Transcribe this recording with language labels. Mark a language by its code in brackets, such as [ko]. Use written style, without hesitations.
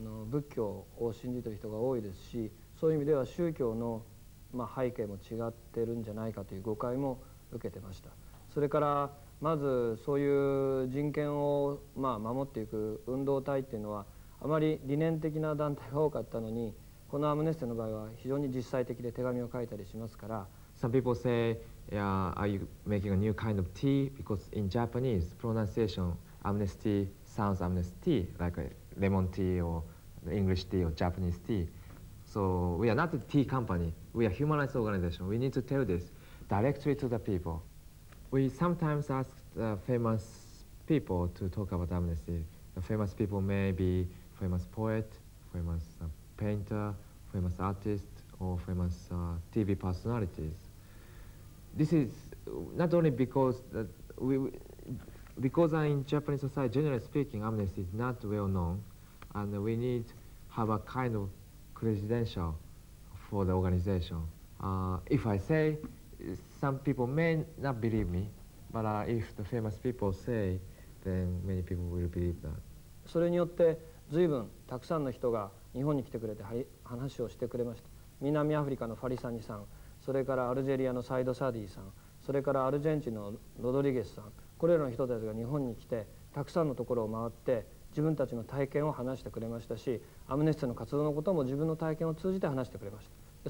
[ja] 仏教を信じている人が多いですし、そういう意味では宗教の、背景も違ってるんじゃないかという誤解も受けてました。それからまずそういう人権を、守っていく運動体っていうのはあまり理念的な団体が多かったのに、このアムネスティの場合は非常に実際的で手紙を書いたりしますから、 [en] Some people say are you making a new kind of tea? Because in Japanese pronunciation amnesty sounds amnesty like aLemon tea or English tea or Japanese tea. So we are not a tea company. We are a human rights organization. We need to tell this directly to the people. We sometimes ask the famous people to talk about amnesty. The famous people may be famous poet, famous painter, famous artist, or famous TV personalities. This is not only because in Japanese society, generally speaking, amnesty is not well known, and we need have a kind of credential for the organization. If I say, some people may not believe me, but if the famous people say, then many people will believe that. [ja] それによって随分たくさんの人が日本に来てくれて話をしてくれました。南アフリカのファリサニさん、それからアルジェリアのサイドサディさん、それからアルゼンチンのロドリゲスさん、これらの人たちが日本に来てたくさんのところを回って自分たちの体験を話してくれましたし、アムネスティの活動のことも自分の体験を通じて話してくれました。